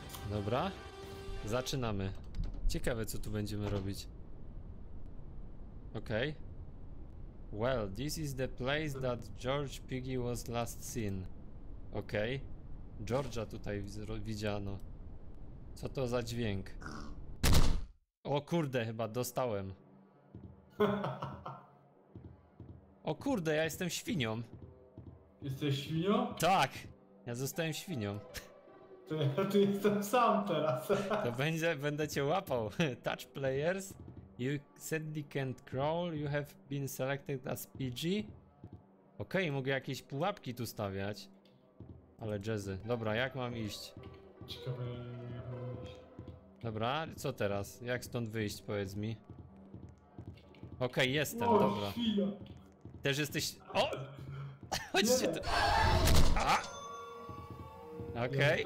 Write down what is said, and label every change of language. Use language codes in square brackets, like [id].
[pl] Dobra, zaczynamy. Ciekawe, co tu będziemy robić. Okej. [en] Well, this is the place that George Piggy was last seen. [pl] Okej. Georgia tutaj widziano. Co to za dźwięk? O kurde, chyba dostałem. O kurde, ja jestem świnią. Jesteś świnią? Tak! Ja zostałem świnią. To ja tu jestem sam teraz. To będę cię łapał. [en] Touch players. You sadly can't crawl. You have been selected as PG. [pl] Okej, mogę jakieś pułapki tu stawiać. Ale jazzy. Dobra, jak mam iść? Ciekawe, jak mam iść. Dobra, co teraz? Jak stąd wyjść, powiedz mi. Okej, jestem, o, dobra. Świnia. Też jesteś... O! Chodźcie tu. A! Okej.